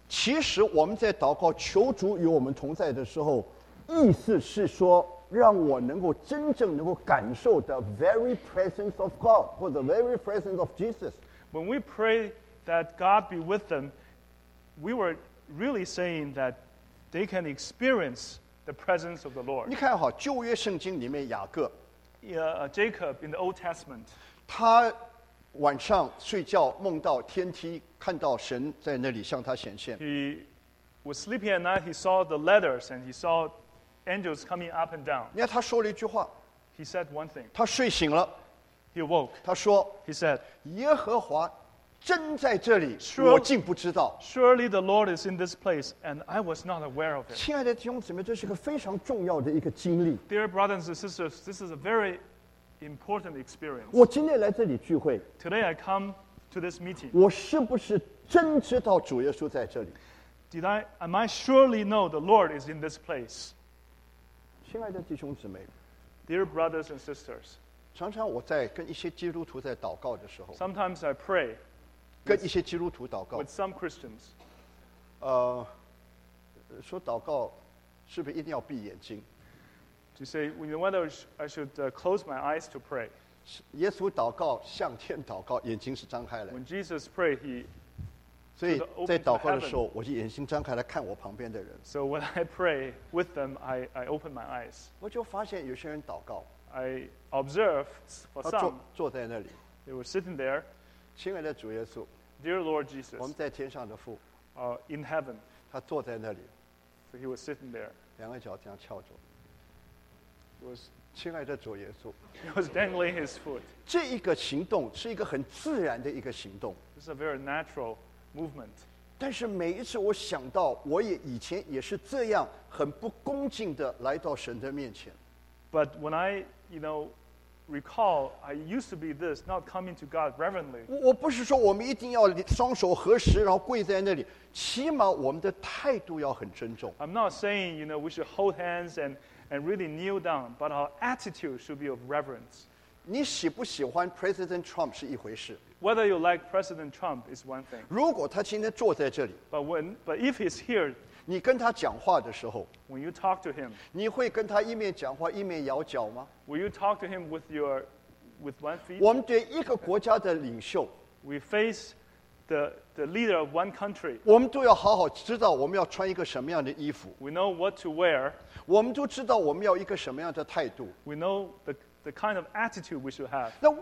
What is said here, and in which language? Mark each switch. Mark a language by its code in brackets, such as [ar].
[zh] 其实我们在祷告求主与我们同在的时候，意思是说，让我能够真正能够感受 [en] the very presence of God or the very presence of Jesus. When we pray that God be with them, we were really saying that they can experience. The presence of the Lord. [zh] 你看好旧约圣经里面雅各 [en] Jacob in the Old Testament. [zh] 他晚上睡觉梦到天梯看到神在那里向他显现 [en] He was sleeping at night. He saw the ladders and he saw angels coming up and down. [zh] 你看他说了一句话 [en] He said one thing. [zh] 他睡醒了 [en] He awoke. [zh] 他说 [en] He said, [zh] 耶和华真在这里 [en] Surely, [zh] 我竟不知道 [en] Surely the Lord is in this place And I was not aware of it [zh] 亲爱的弟兄姊妹这是个非常重要的一个经历 [en] Dear brothers and sisters This is a very important experience [zh] 我今天来这里聚会 [en] Today I come to this meeting [zh] 我是不是真知道主耶稣在这里 [en] Am I surely know the Lord is in this place [zh] 亲爱的弟兄姊妹 [en] Dear brothers and sisters [zh] 常常我在跟一些基督徒在祷告的时候 [en] Sometimes I pray [zh] 跟一些基督徒祷告 [en] with some Christians [zh] 说祷告是不是一定要闭眼睛 [en] to say you know whether I should close my eyes to pray [zh] 耶稣祷告向天祷告眼睛是张开来 [en] when Jesus pray he [zh] 所以在祷告的时候我就眼睛张开来看我旁边的人 [en] so when I pray with them I open my eyes [zh] 我就发现有些人祷告 [en] I observe for some [zh] 坐在那里 [en] they were sitting there [zh] 亲爱的主耶稣 [en] Dear Lord Jesus [zh] 我们在天上的父 [en] In heaven [zh] 他坐在那里 [en] So he was sitting there [zh] 两个脚这样翘着 [en] was, [zh] 亲爱的主耶稣 [en] He was dangling his foot [zh] 这一个行动是一个很自然的一个行动 [en] It's a very natural movement [zh] 但是每一次我想到我也以前也是这样很不恭敬的来到神的面前 [en] But when I, you know recall I used to be this, not coming to God reverently. [zh] 我不是说我们一定要双手合十然后跪在那里。起码我们的态度要很尊重。 [en] I'm not saying, you know, we should hold hands and really kneel down, but our attitude should be of reverence. [zh] 你喜不喜欢 President Trump 是一回事。 [en] Whether you like President Trump is one thing. [zh] 如果他今天坐在这里, [en] but if he's here, [zh] 你跟他讲话的时候, [en] when you talk to him, [zh] 你会跟他一面讲话一面摇脚吗? [en] Will you talk to him with one feet? [zh] 我们对一个国家的领袖, [en] we face the leader of one country. [zh] 我们都要好好知道我们要穿一个什么样的衣服。 [en] We know what to wear. [zh] 我们都知道我们要一个什么样的态度。 [en] We know the kind of attitude we should have.